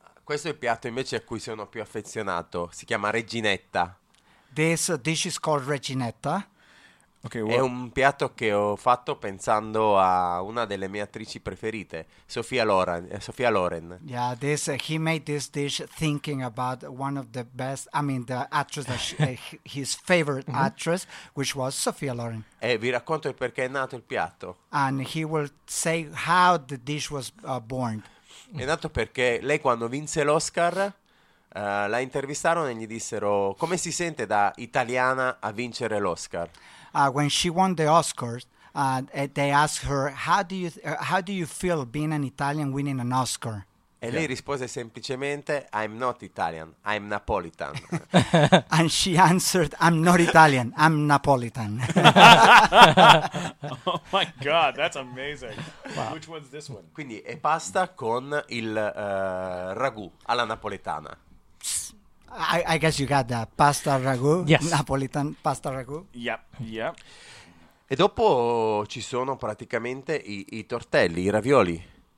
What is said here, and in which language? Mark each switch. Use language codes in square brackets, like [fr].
[it] Questo è il piatto invece a cui sono più affezionato. Si chiama Reginetta. [en] This dish is called Reginetta. Okay, [it] è un piatto che ho fatto pensando a una delle mie attrici preferite, Sophia Loren. [en] Yeah, this he made this dish thinking about one of the best, I mean the actress, that his favorite actress, which was Sophia Loren. [it] E vi racconto il perché è nato il piatto. [en] And he will say how the dish was born. [it] È nato perché lei quando vinse l'Oscar... la intervistarono e gli dissero come si sente da italiana a vincere l'Oscar. [en] When she won the Oscars, they asked her how do you feel being an Italian winning an Oscar? And [it] lei rispose semplicemente, [en] I'm not Italian, I'm Napolitan. And she answered, I'm not Italian, I'm Napolitan. Oh my God, that's amazing. Wow. Which one's this one? [it] Quindi è pasta con il ragù alla napoletana. [en] I guess you got that. Pasta ragù, yes. Napolitan pasta ragù. Yep, yep. [it] E dopo ci sono praticamente i tortelli, i ravioli.